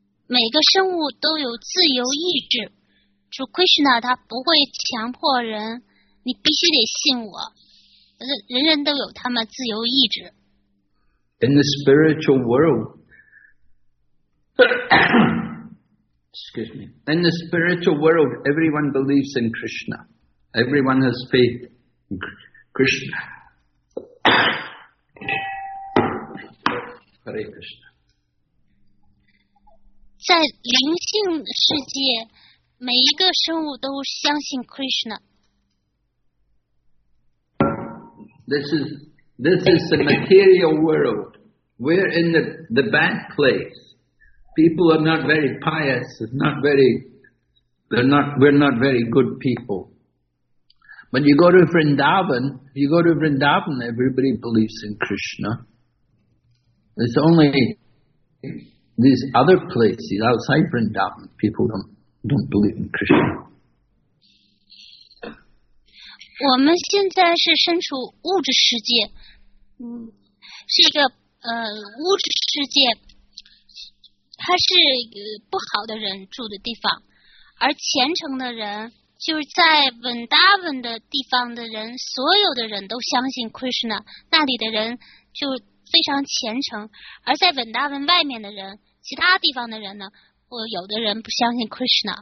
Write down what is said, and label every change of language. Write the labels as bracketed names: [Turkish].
[Chinese] 每个生物都有自由意志。主 Krishna 他不会强迫人，你必须得信我。人人都有他们自由意志。 [English] In the spiritual world, Excuse me. In the spiritual world, everyone believes in Krishna. Everyone has faith in Krishna. Hare Krishna. [Chinese] 在灵性世界，每一个生物都相信 Krishna. [English] This is the material world. We're in the bad place. People are not very pious, we're not very good people. But you go to Vrindavan, everybody believes in Krishna. It's only these other places outside Vrindavan, people don't don't believe in Krishna. [Chinese] 我们现在是身处物质世界，是一个物质世界，它是不好的人住的地方，而虔诚的人就是在文达文的地方的人，所有的人都相信 Krishna， 那里的人就非常虔诚，而在文达文外面的人，其他地方的人呢，或有的人不相信 Krishna。